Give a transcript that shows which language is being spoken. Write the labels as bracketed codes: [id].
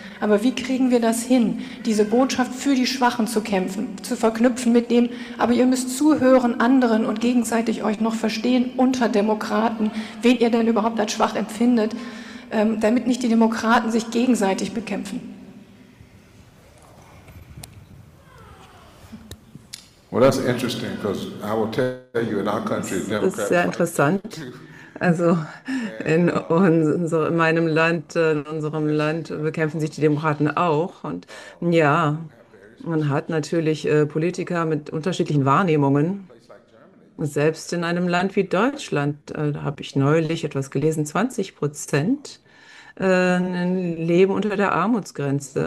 [de] Aber wie kriegen wir das hin, diese Botschaft für die Schwachen zu kämpfen, zu verknüpfen mit dem, aber ihr müsst zuhören anderen und gegenseitig euch noch verstehen unter Demokraten, wen ihr denn überhaupt als schwach empfindet, damit nicht die Demokraten sich gegenseitig bekämpfen. [en] Well, that's interesting, because I will tell you in our country, [de] Democrats. Das ist sehr interessant. Also in unserem Land bekämpfen sich die Demokraten auch. Und ja, man hat natürlich Politiker mit unterschiedlichen Wahrnehmungen. Selbst in einem Land wie Deutschland, da habe ich neulich etwas gelesen, 20% leben unter der Armutsgrenze.